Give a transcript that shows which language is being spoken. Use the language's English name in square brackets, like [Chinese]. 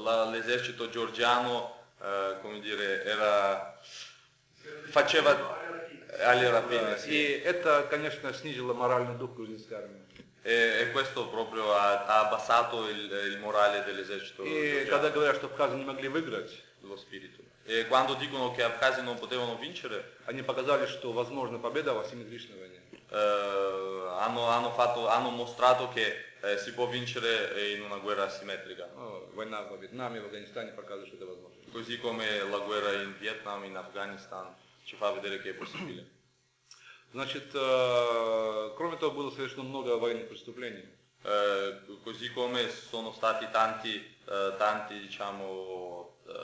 [Italian] L'esercito georgiano, come dire, era faceva alle rapine. [Russian] И это, конечно, снизило моральный дух грузинской армии. [Italian] E questo proprio ha abbassato il morale dell'esercito. E quando [Russian] говорят, что абхазы не могли выиграть, [Italian] lo spirito. E quando dicono che абхазы non potevano vincere, [Russian] они показали, что возможна победа в асимметричной войне. [Italian] Hanno mostrato che si può vincere in una guerra asimmetrica. [Russian] Война в Вьетнаме, в Афганистане показывает, что это возможно. [Italian] Così come la guerra in Vietnam, in Afghanistan, ci fa vedere che è possibile. [Russian] Значит, кроме того, было совершено много военных преступлений. [Italian] Così come sono stati tanti, diciamo,